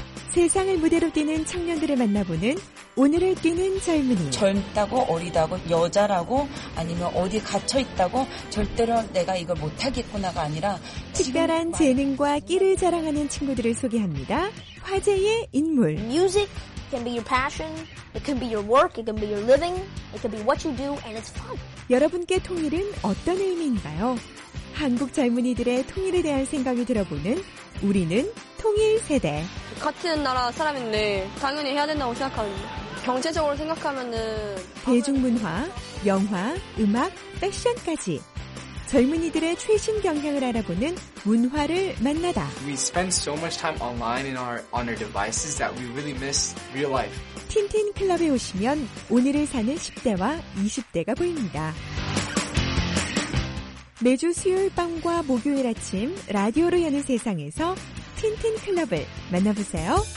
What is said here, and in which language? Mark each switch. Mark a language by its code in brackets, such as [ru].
[ko] 세상을 무대로 뛰는 청년들을 만나보는 오늘을 뛰는 젊은이. 젊다고 어리다고 여자라고 아니면 어디 갇혀있다고 절대로 내가 이걸 못하겠구나가 아니라 특별한 재능과 끼를 자랑하는 친구들을 소개합니다. 화제의 인물. [en] Music can be your passion, it can be your work, it can be your living, it can be what you do and it's fun. [ko] 여러분께 통일은 어떤 의미인가요? 한국 젊은이들의 통일에 대한 생각을 들어보는 우리는 통일 세대. 같은 나라 사람인데 당연히 해야 된다고 생각하는데 경제적으로 생각하면은 대중문화, 영화, 음악, 패션까지 젊은이들의 최신 경향을 알아보는 문화를 만나다. [en] We spend so much time online on our devices that we really miss real life. [ko] 틴틴 클럽에 오시면 오늘을 사는 10대와 20대가 보입니다. 매주 수요일 밤과 목요일 아침 라디오로 여는 세상에서 틴틴 클럽을 만나보세요.